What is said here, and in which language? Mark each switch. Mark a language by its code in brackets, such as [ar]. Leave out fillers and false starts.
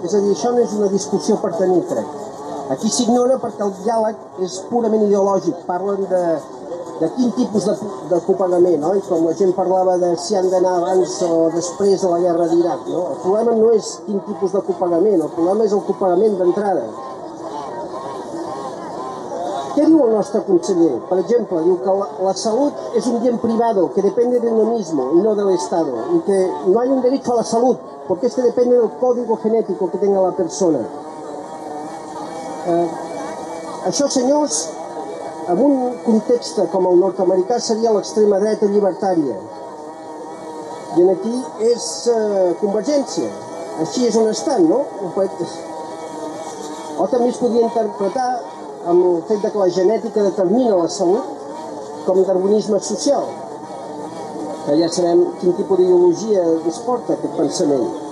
[ca] És a dir, això no és una discussió per tenir, crec. Aquí s'ignora perquè el diàleg és purament ideològic. Parlen de de quin tipus de copagament, oi? Com la gent parlava de si han d'anar abans o després de la guerra d'Iraq, no? El problema no és quin tipus de copagament, el problema és el copagament d'entrada. Què diu el nostre conseller? Per exemple, diu que la salut és un [es] bien privado que depende de uno mismo y no del Estado y que no hay un derecho a la salud porque este depende del código genético que tenga la persona. [ca] Això, senyors, en un context com el nord-americà seria l'extrema dreta llibertària. I aquí és convergència. Així és on estan, no? O també es podria interpretar amb el fet que la genètica determina la salut com a darwinisme social, que ja sabem quin tipus d'ideologia es porta aquest pensament.